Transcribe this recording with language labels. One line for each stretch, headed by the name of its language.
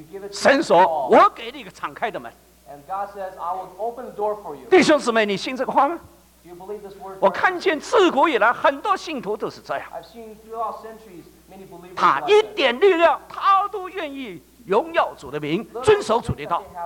Chinese: 神说，我给你一个敞开的门。
English: And God says, I will open the door for you.
Chinese: 弟兄姊妹，你信这个话吗？
English: Do you believe this word?
Chinese: 我看见自古以来很多信徒都是这样。
English: I've seen throughout centuries many believers.
Chinese: 他一点力量，他都愿意荣耀主的名，遵守主的道。